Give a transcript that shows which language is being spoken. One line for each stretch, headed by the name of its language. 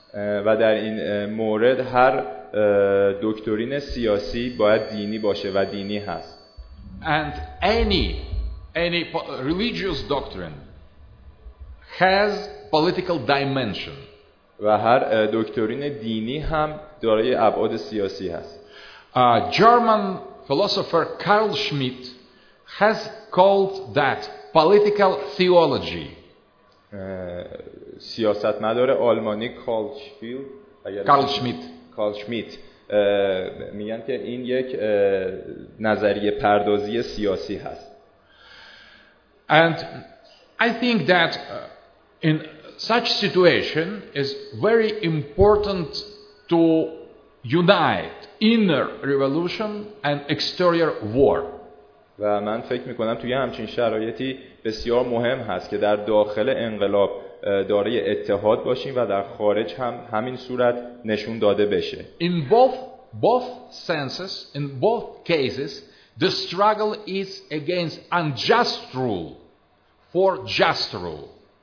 Persian: و در این مورد هر دکترین سیاسی باید دینی باشه و دینی هست.
English: And any religious doctrine has political dimension.
Persian: و هر دکترین دینی هم دارای ابعاد سیاسی هست.
English: German philosopher Carl Schmitt has called that political theology.
Persian: سیاستمدار آلمانی کارل شمیت، میگن که این یک نظریه پردازی سیاسی هست.
English: And I think that in such situation is very important to unite inner revolution and exterior war.
Persian: و من فکر میکنم توی همچین شرایطی بسیار مهم هست که در داخل انقلاب دارای اتحاد باشیم و در خارج هم همین صورت نشون داده بشه.
English: In both senses, in both cases, the struggle is against unjust rule for just rule.